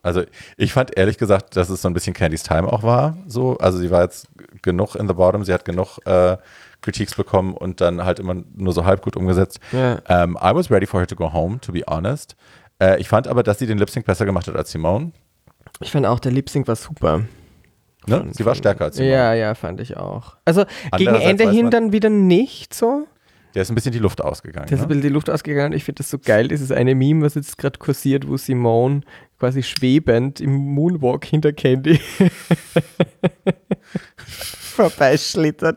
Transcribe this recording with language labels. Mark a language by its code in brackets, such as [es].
[de] Also ich fand ehrlich gesagt, dass es so ein bisschen Candy's Time auch war. So. Also sie war jetzt genug [en] in the bottom, [de] sie hat genug Kritiks bekommen und dann halt immer nur so halb gut umgesetzt. [en] Yeah. I was ready for her to go home, to be honest. [de] Ich fand aber, dass sie den Lip-Sync besser gemacht hat als Simone. Ich fand auch, der Lip-Sync war super. Ne? Sie war stärker als Simone. Ja, fand ich auch. Also gegen Ende hin dann wieder nicht so. Der ist ein bisschen die Luft ausgegangen. Der ist ein bisschen die Luft ausgegangen. Ich finde das so geil. Das ist eine Meme, was jetzt gerade kursiert, wo Simone quasi schwebend im Moonwalk hinter Candy vorbeischlittert.